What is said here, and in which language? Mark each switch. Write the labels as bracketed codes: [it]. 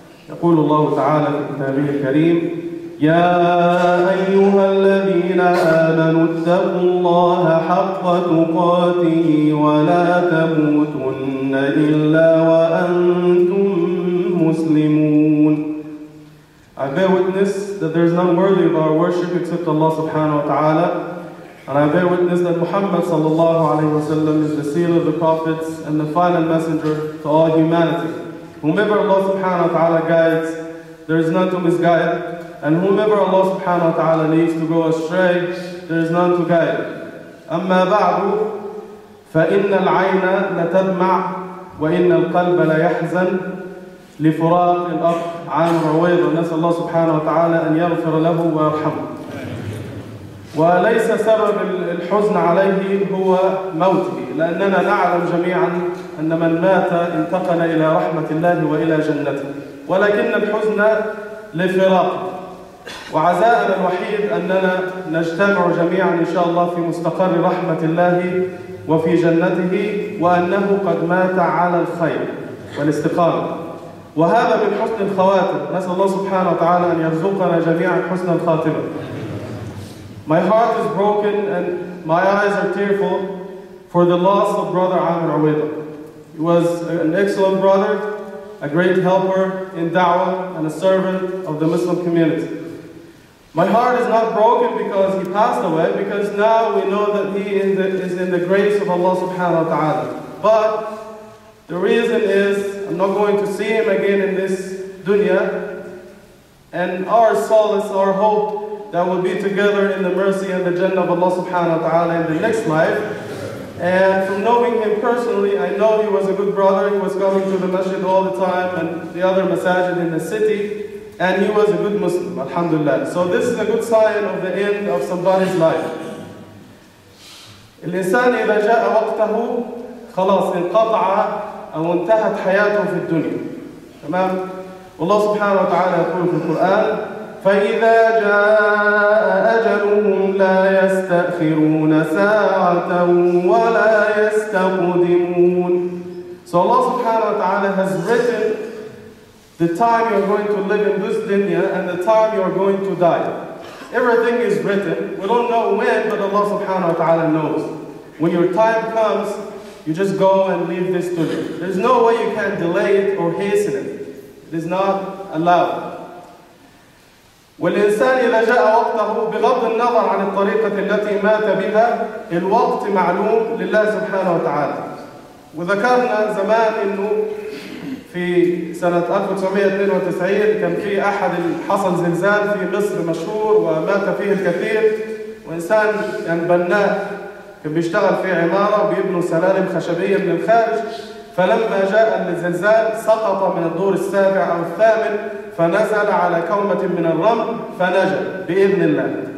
[ar] يقول الله تعالى في كتابه الكريم: يا أيها الذين آمنوا اتقوا الله حق تقاته ولا تموتن إلا وأنتم مسلمون. [en] I bear witness that there is none worthy of our worship except Allah subhanahu wa ta'ala. And I bear witness that Muhammad sallallahu alayhi wa sallam is the seal of the prophets and the final messenger to all humanity. Whomever Allah subhanahu wa ta'ala guides, there is none to misguide. And whomever Allah subhanahu wa ta'ala needs to go astray, there is none to guide. [ar] أما بعد فإن العين لتدمع وإن القلب ليحزن لفراق الأخ عام رويضة. نسأل الله سبحانه وتعالى أن يغفر له ويرحمه. وليس سبب الحزن عليه هو موته، لأننا نعلم جميعا أن من مات انتقل إلى رحمة الله وإلى جنته، ولكن الحزن لفراقه. وعزاءنا الوحيد أننا نجتمع جميعا إن شاء الله في مستقر رحمة الله وفي جنته، وأنه قد مات على الخير والاستقامة. وهذا من حسن الخواتم. نسأل الله سبحانه وتعالى أن يرزقنا جميعا حسن الخاتمة. [en] My heart is broken and my eyes are tearful for the loss of brother Amir Uweda. He was an excellent brother, a great helper in da'wah, and a servant of the Muslim community. My heart is not broken because he passed away, because now we know that he is in the grace of Allah subhanahu wa ta'ala. But the reason is, I'm not going to see him again in this dunya, and our solace, our hope, that we'll be together in the mercy and the Jannah of Allah subhanahu wa ta'ala in the next life. And from knowing him personally, I know he was a good brother. He was coming to the masjid all the time and the other masajid in the city, and he was a good Muslim, alhamdulillah. So this is a good sign of the end of somebody's life. [ar] الإنسان إذا جاء وقته خلاص انقطع أو انتهت حياته في الدنيا، تمام؟ والله سبحانه وتعالى يقول في القرآن: فإذا جاء أجلهم لا يستأخرون ساعة ولا يستقدمون. [en] So Allah subhanahu wa ta'ala has written the time you are going to live in this dunya and the time you are going to die. Everything is written. We don't know when, but Allah subhanahu wa ta'ala knows. When your time comes, you just go and leave this dunya. There's no way you can delay it or hasten it. It is not allowed. [ar] والإنسان إذا جاء وقته بغض النظر عن الطريقة التي مات بها، الوقت معلوم لله سبحانه وتعالى. وذكرنا زمان إنه في سنة 1992 كان في أحد حصل زلزال في مصر مشهور ومات فيه الكثير، وإنسان يعني بناء كان بيشتغل في عمارة بيبنوا سلالم خشبية من الخارج، فلما جاء الزلزال سقط من الدور السابع أو الثامن فنزل على كومة من الرمل فنجا بإذن الله،